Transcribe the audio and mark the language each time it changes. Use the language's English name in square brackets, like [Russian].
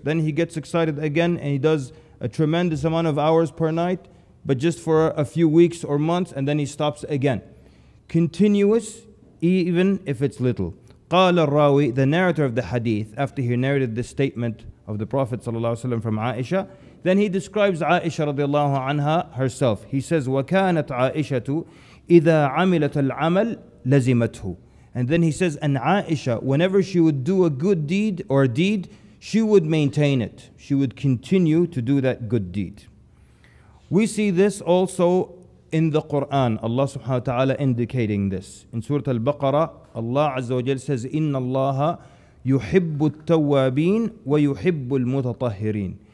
[English] Then he gets excited again and he does a tremendous amount of hours per night, but just for a few weeks or months, and then he stops again. Continuous, even if it's little. Qala al-Rawi, the narrator of the hadith, after he narrated this statement of the Prophet ﷺ from Aisha, then he describes Aisha radiallahu anha herself. [Arabic] He says, وَكَانَتْ عَائِشَةُ إِذَا عَمِلَتْ الْعَمَلْ لَزِمَتْهُ. [English] And then he says, and Aisha, whenever she would do a good deed or a deed, she would maintain it. She would continue to do that good deed. We see this also in the Quran. Allah subhanahu wa ta'ala indicating this. In Surah Al-Baqarah, Allah Azza wa Jalla says, [Arabic] إِنَّ اللَّهَ يُحِبُّ التَّوَّابِينَ وَيُحِبُّ الْمُتَطَهِّرِينَ.